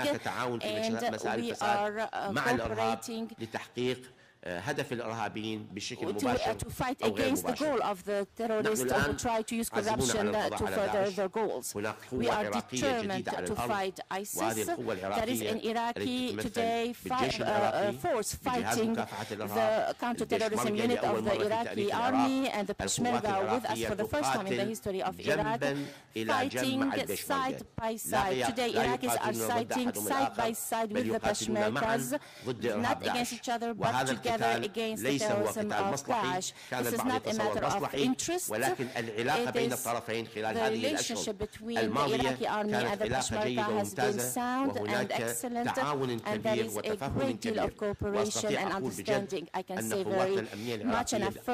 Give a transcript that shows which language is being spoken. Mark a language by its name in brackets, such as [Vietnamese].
[English] and we are cooperating [Arabic] هدف الإرهابيين بشكل مباشر [English] to fight against the goal of the terrorists or try to use corruption to further their goals. We are determined to fight ISIS. That is an Iraqi today force fighting the counter-terrorism unit of the Iraqi army and the Peshmerga with us for the first time in the history of Iraq, fighting side by side. Today, Iraqis are fighting side by side with the Peshmergas, not against each other, but together. [Arabic] ليس هو قتال مصلحي كان البعض يتصور مصلحي ولكن العلاقة بين الطرفين خلال هذه الأشهر الماضية كانت علاقة جيدة وممتازة وهناك تعاون كبير وتفاهم كبير وأستطيع أقول بجد أن قواتنا الأمنية العراقية